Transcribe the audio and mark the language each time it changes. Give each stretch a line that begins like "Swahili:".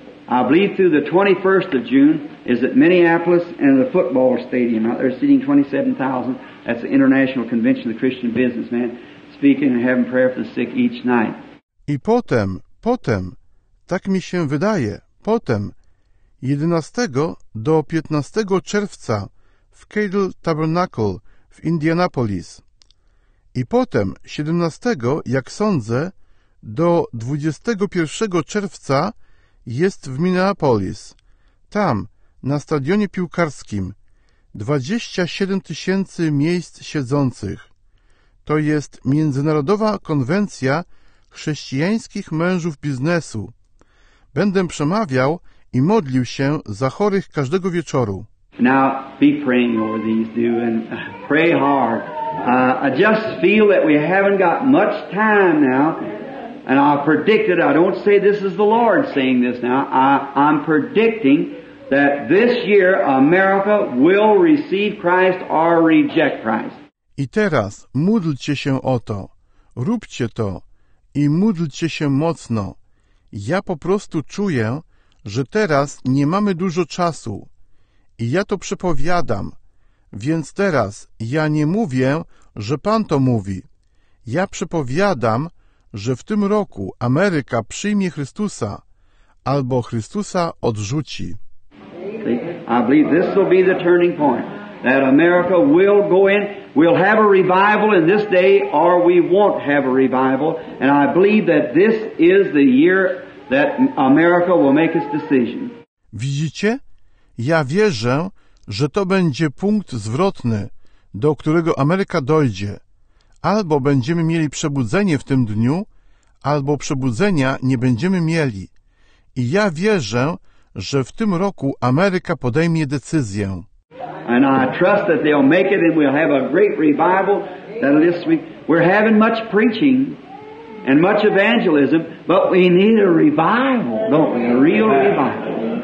English: I believe through the 21st of June is at Minneapolis and the football stadium out there seating 27,000. That's the International Convention of the Christian Businessmen, speaking and having prayer for the sick each night.
Polish: I potem, tak mi się wydaje, potem, 11 do 15 czerwca w Cadle Tabernacle w Indianapolis. I potem 17, jak sądzę, do 21 czerwca jest w Minneapolis. Tam, na stadionie piłkarskim, 27 tysięcy miejsc siedzących. To jest Międzynarodowa Konwencja Chrześcijańskich Mężów Biznesu. Będę przemawiał i modlił się za chorych każdego wieczoru.
English: Now be praying over these two and pray hard. I just feel that we haven't got much time now, and I predicted, I don't say this is the Lord saying this now, I'm predicting that this year America will receive Christ or reject Christ.
Polish: I teraz módlcie się o to, róbcie to i módlcie się mocno. Ja po prostu czuję, że teraz nie mamy dużo czasu. I ja to przepowiadam, więc teraz ja nie mówię, że Pan to mówi. Ja przepowiadam, że w tym roku Ameryka przyjmie Chrystusa, albo Chrystusa odrzuci.
English: I believe this will be the turning point, that America will go in, we'll have a revival in this day, or we won't have a revival, and I believe that this is the year that America will make its decision.
Polish: Widzicie? Ja wierzę, że to będzie punkt zwrotny, do którego Ameryka dojdzie. Albo będziemy mieli przebudzenie w tym dniu, albo przebudzenia nie będziemy mieli. I ja wierzę, że w tym roku Ameryka podejmie decyzję.
English: And I trust that they'll make it and we'll have a great revival that this week. We're having much preaching and much evangelism, but we need a revival, don't we? A real revival.